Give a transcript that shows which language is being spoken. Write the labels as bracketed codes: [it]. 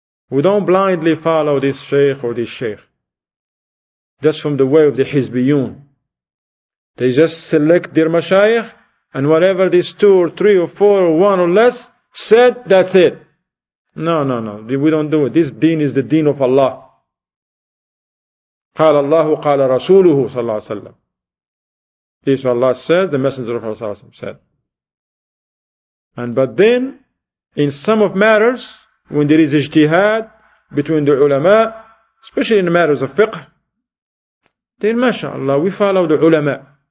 [en] We don't blindly follow this sheikh or this sheikh. That's from the way of the Hizbiyun. They just select their mashayikh, and whatever these two or three or four or one or less said, that's it. No. We don't do it. This deen is the deen of Allah. [ar] قال الله قال رسوله صلى الله عليه وسلم. [en] This is what Allah said, the Messenger of Allah said. But then, in some of matters, when there is ijtihad between the ulama, especially in the matters of fiqh, then mashallah, we follow the ulama.